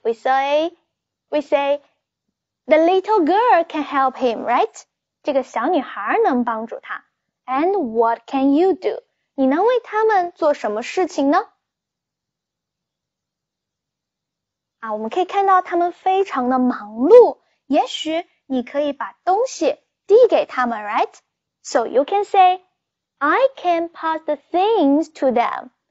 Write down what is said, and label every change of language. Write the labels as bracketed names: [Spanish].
[English] We say, the little girl can help him, right? [Chinese] 这个小女孩能帮助他。 [English] And what can you do? [Chinese] 你能为他们做什么事情呢？啊，我们可以看到他们非常的忙碌。也许你可以把东西递给他们 ，right? [English] So you can say, I can pass the things to them.